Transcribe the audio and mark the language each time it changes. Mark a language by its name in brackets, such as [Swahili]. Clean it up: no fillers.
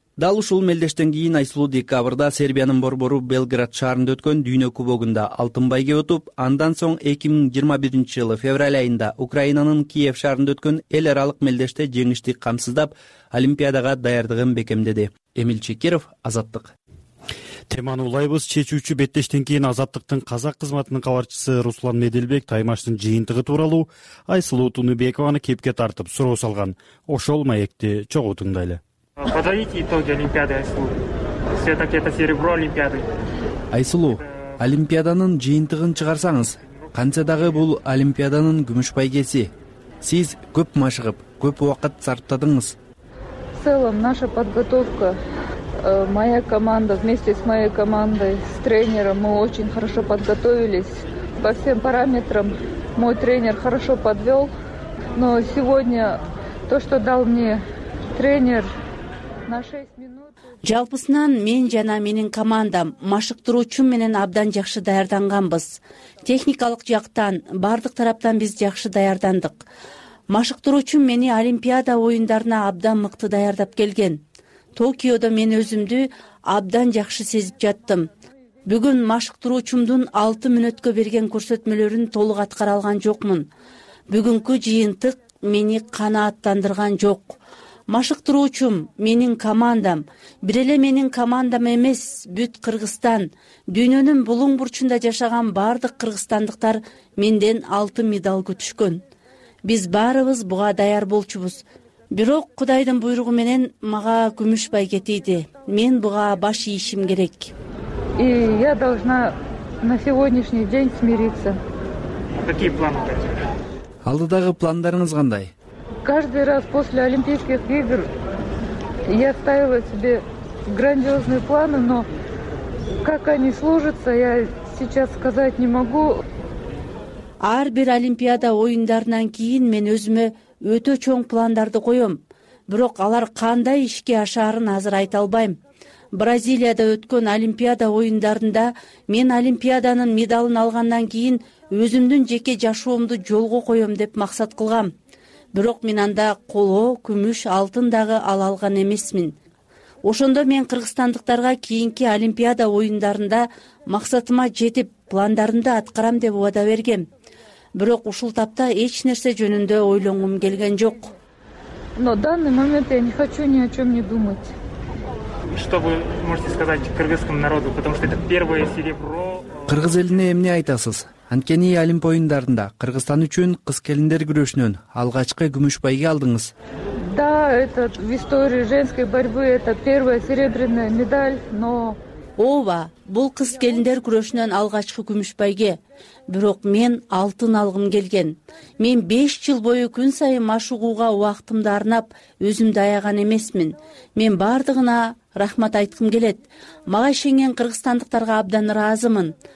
[Kyrgyz] Дал ушул мелдештен кийин Айсулуу декабрда Сербиянын борбору Белград шаарында өткөн дүйнө кубогунда алтын байге утуп, андан соң 2021 жылы февраль айында Украинанын Киев шаарында өткөн эл аралык мелдеште жеңишти камсыздап, олимпиадага даярдыгын бекемдеди. Эмил Чекеров, Азаттык. Теманы улайбыз. Чечүүчү беттештен кийин Азаттыктын казак кызматынын кабарчысы Руслан Меделбек таймаштын жыйынтыгы тууралуу Айсулуу Тыныбекованы кепке тартып суроо салган. Ошол маекти чогуу тыңдайлы. [Russian] Подводите итоги олимпиады, Айсулуу. Все-таки это серебро олимпиады. [Kyrgyz] Айсулуу, олимпиаданын жыйынтыгын чыгарсаңыз, кантсе дагы бул олимпиаданын күмүш байгеси. Сиз көп машыгып, көп убакыт сарптадыңыз. [Russian] В целом наша подготовка, моя команда вместе с моей командой, с тренером, мы очень хорошо подготовились по всем параметрам. Мой тренер хорошо подвел, но сегодня то, что дал мне тренер, [Kyrgyz] Жалпысынан мен жана менин командам машыктыруучум менен абдан жакшы даярданганбыз. Техникалык жактан, бардык тараптан биз жакшы даярдандык. Машыктыруучум мени Олимпиада оюндарына абдан мыкты даярдап келген. Токиодо мен өзүмдү абдан жакшы сезип жаттым. Бүгүн машыктыруучумдун 6 мүнөткө берген көрсөтмөлөрүн толук аткара алган жокмун. Бүгүнкү жыйынтык мени канааттандырган жок. Машыктыруучум, менин командам, бир эле менин командам эмес, бүт Кыргызстан, дүйнөнүн булуң бурчунда жашаган бардык кыргызстандыктар менден 6 медаль күтүшкөн. Биз баарыбыз буга даяр болчубуз. Бирок Кудайдын буйругу менен мага күмүш байге тийди. Мен буга баш ийишим керек. [Russian] И я должна на сегодняшний день смириться. Какие планы у вас? [Kyrgyz] Алдыдагы пландарыңыз кандай? [Russian] Каждый раз после Олимпийских игр я ставила себе грандиозные планы, но как они сложатся, я сейчас сказать не могу. [Kyrgyz] Ар бир Олимпиада оюндарынан кийин мен өзүмө өтө чоң пландарды коем. Бирок алар кандай ишке ашарын азыр айта албайм. Бразилияда өткөн Олимпиада оюндарында мен Олимпиаданын медалын алгандан кийин өзүмдүн жеке жашоомду жолго коем деп максат кылгам. Бирок мен анда коло, күмүш, алтын дагы ала алган эмесмин. Ошондо мен кыргызстандыктарга кийинки Олимпиада оюндарында максатыма жетип, пландарымды аткарам деп убада бергем. Бирок ушул тапта эч нерсе жөнүндө ойлонгум келген жок. [Russian] Но в данный момент я не хочу ни о чем не думать. Что вы можете сказать кыргызскому народу, потому что это первое серебро? [Kyrgyz] Кыргыз элине эмне айтасыз? Анткени Олимп оюндарында Кыргызстан үчүн кыз келиндер күрөшүнөн алгачкы күмүш байге алдыңыз. [Russian] Да, это в истории женской борьбы это первая серебряная медаль, но [Kyrgyz] ооба, бул кыз келиндер күрөшүнөн алгачкы күмүш байге. Бирок мен алтын алгым келген. Мен 5 жыл бою күн сайын машыгууга убактымды арнап, өзүмдү аяган эмесмин. Мен бардыгына рахмат айткым келет. Мага ишенген кыргызстандыктарга абдан ыраазымын.